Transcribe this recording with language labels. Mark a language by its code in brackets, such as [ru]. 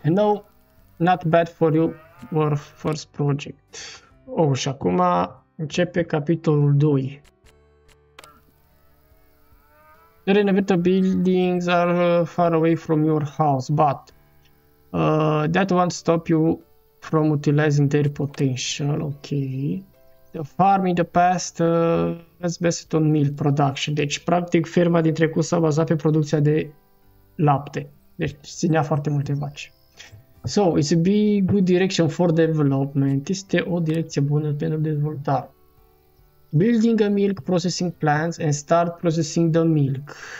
[en] No, not bad for you or first project. [ro] Oh, și acum începe capitolul 2. [en] The renovated buildings are far away from your house, but that won't stop you from utilizing their potential. Ok. The farm in the past has based on milk production. [ro] Deci, practic, ferma din trecut s-a bazat pe producția de lapte. Deci ținea foarte multe vaci. [en] So, it's a big, good direction for development. [ro] Este o direcție bună pentru dezvoltare. [en] Building a milk processing plant and start processing the milk.